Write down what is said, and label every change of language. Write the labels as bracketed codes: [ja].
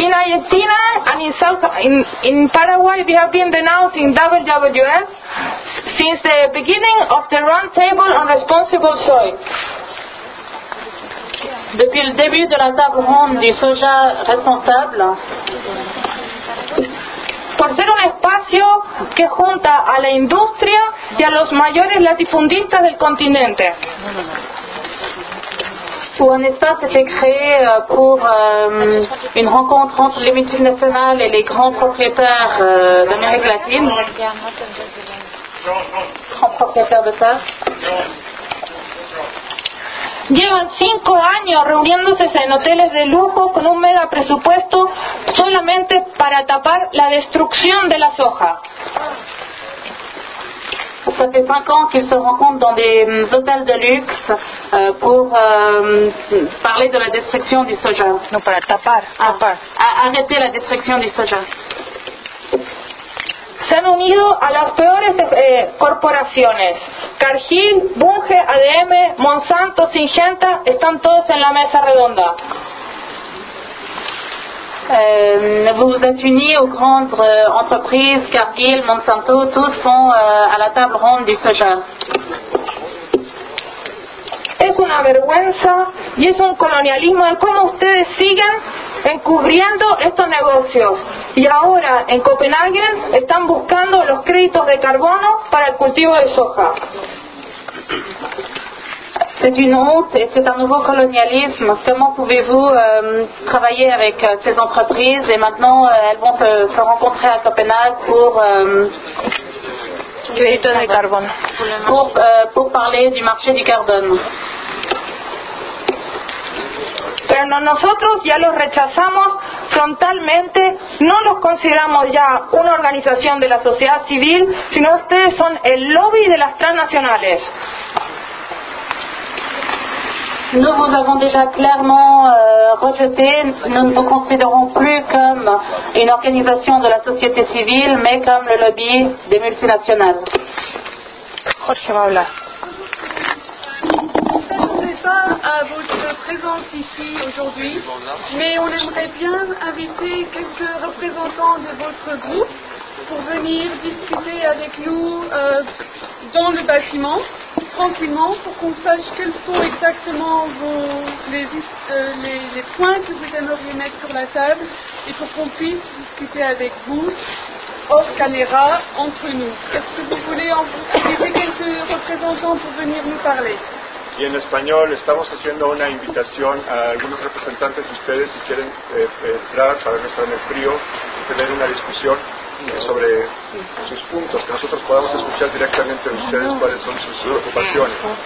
[en] In Argentina and in South in Paraguay, we have been denouncing WWF since the beginning of the round table on responsible soy. [fr] Depuis le début de la table ronde du soja responsable. [es] Por ser un espacio que junta a la industria y a los mayores latifundistas del continente. [fr] Où un espace était créé pour une rencontre entre les multinationales et les grands propriétaires d'Amérique latine. Grands propriétaires de ça. [es] Llevan 5 años reuniéndose en hoteles de lujo con un mega presupuesto solamente para tapar la destrucción de la soja. [fr] Ça fait 5 ans qu'ils se rencontrent dans des hôtels de luxe pour parler de la destruction du soja. [es] Non, para tapar. [fr] Arrêter la destruction du soja. [es] Se han unido a las peores corporaciones. Cargill, Bunge, ADM, Monsanto, Syngenta, están todos en la mesa redonda. [fr] Vous êtes unis aux grandes entreprises, Cargill, Monsanto, tous sont à la table ronde du soja. [es] Es una vergüenza y es un colonialismo en cómo ustedes siguen encubriendo estos negocios. Y ahora en Copenhague están buscando los créditos de carbono para el cultivo de soja. [fr] C'est une honte et c'est un nouveau colonialisme. Comment pouvez-vous travailler avec ces entreprises et maintenant elles vont se rencontrer à Copenhague pour [es] créditos de carbono. [fr] Pour parler du marché du carbone. [es] Pero no, nosotros ya los rechazamos frontalmente, no los consideramos ya una organización de la sociedad civil, sino ustedes son el lobby de las transnacionales. [fr] Nous vous avons déjà clairement rejeté, nous ne vous considérons plus comme une organisation de la société civile, mais comme le lobby des multinationales. [es] Jorge va hablar. [fr] À votre présence ici aujourd'hui, mais on aimerait bien inviter quelques représentants de votre groupe pour venir discuter avec nous dans le bâtiment, tranquillement, pour qu'on sache quels sont exactement les points que vous aimeriez mettre sur la table et pour qu'on puisse discuter avec vous hors caméra entre nous. Est-ce que vous voulez inviter quelques représentants pour venir nous parler? [es] Y en español estamos haciendo una invitación a algunos representantes de ustedes si quieren entrar para no estar en el frío tener una discusión sobre sus puntos, que nosotros podamos escuchar directamente de ustedes cuáles son sus preocupaciones.